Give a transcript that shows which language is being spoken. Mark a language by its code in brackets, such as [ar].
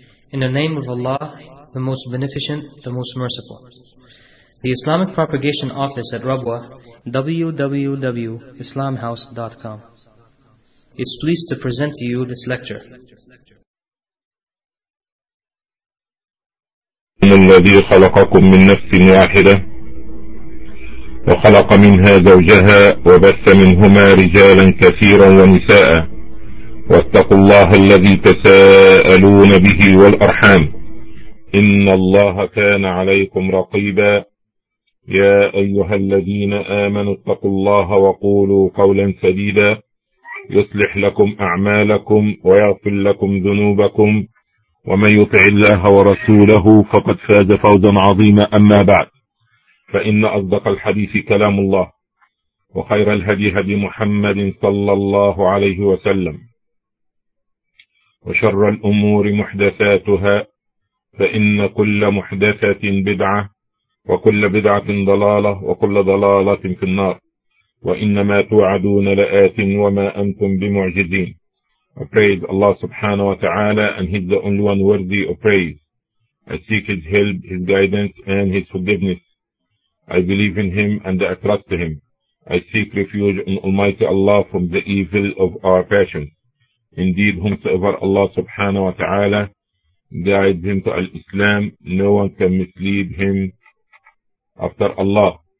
[en] In the name of Allah, the Most Beneficent, the Most Merciful. The Islamic Propagation Office at Rabwa, www.islamhouse.com, is pleased to present to you this lecture. [ar] الذي خلقكم من نفس واحدة وخلق منها زوجها وبث منهما رجالا كثيرا ونساء واتقوا الله الذي تساءلون به والأرحام إن الله كان عليكم رقيبا يا أيها الذين آمنوا اتقوا الله وقولوا قولا سديدا يصلح لكم أعمالكم ويغفر لكم ذنوبكم ومن يطع الله ورسوله فقد فاز فوزا عظيما أما بعد فإن أصدق الحديث كلام الله وخير الهدي هدي محمد صلى الله عليه وسلم وشر الأمور محدثاتها فإن كل محدثة بدعة وكل بدعة ضلالة وكل ضلالة في النار وإنما توعدون لآت وما أنتم بمعجزين. [en] I praise Allah subhanahu wa ta'ala, and He's the only one worthy of praise. I seek His help, His guidance, and His forgiveness. I believe in Him and I trust Him. I seek refuge in Almighty Allah from the evil of our passions. Indeed, whomsoever Allah subhanahu wa ta'ala guides him to Al-Islam, no one can mislead him after Allah.